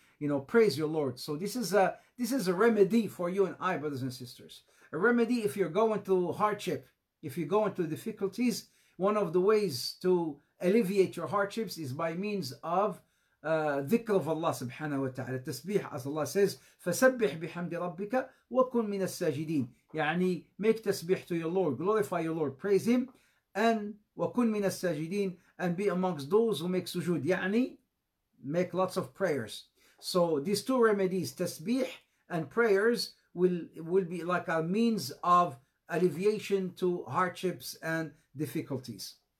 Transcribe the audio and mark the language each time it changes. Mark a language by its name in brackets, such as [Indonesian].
[English] You know, praise your Lord. So this is a remedy for you and I, brothers and sisters. A remedy if you're going through hardship, if you're going through difficulties. One of the ways to alleviate your hardships is by means of dhikr of Allah subhanahu wa ta'ala. Tasbih, as Allah says, [Arabic] فَسَبِّحْ بِحَمْدِ رَبِّكَ وَكُنْ مِنَ السَّاجِدِينَ. [English] يعني, make tasbih to your Lord, glorify your Lord, praise Him, and [Arabic] وَكُنْ مِنَ السَّاجِدِينَ, [English] and be amongst those who make sujood. يعني, make lots of prayers. So these two remedies, tasbih and prayers, will be like a means of alleviation to hardships and difficulties.